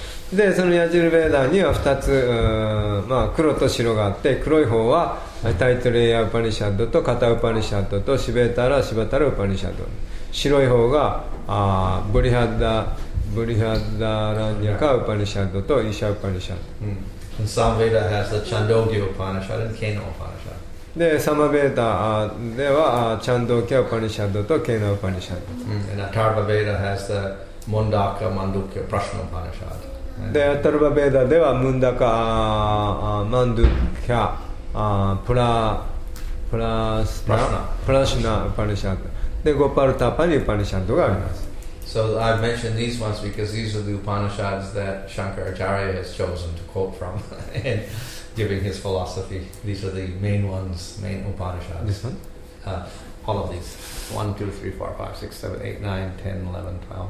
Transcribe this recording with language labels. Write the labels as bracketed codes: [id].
[ja] で、そのヤジュルヴェーダには2つ、まあ、黒と白があって、黒い方はタイトレイヤーウパニシャッドとカタウパニシャッドとシベータラ・シバタラ・ウパニシャッド。白い方がブリハッダ・ブリハッダーランニャカ・ウパニシャッドとイシャ・ウパニシャッド。 [en] And Samaveda has the Chandogya Upanishad and Keno Upanishad. [ja] で、サマベータではチャンドーキャ・ウパニシャッドとケーナ・ウパニシャッド。 [en] And Atharva Veda has the Mundaka Mandukya Prashna Upanishad. [ja] で、アタルバベータでは Mundaka Mandukya Prashna Upanishad. で、ゴパルタパニ・ウパニシャッドがあります。 [en] So I mentioned these ones because these are the Upanishads that Shankaracharya has chosen to quote from. giving his philosophy. These are the main ones, main Upanishads. This one? All of these. 1, 2, 3, 4, 5, 6, 7, 8, 9, 10, 11, 12.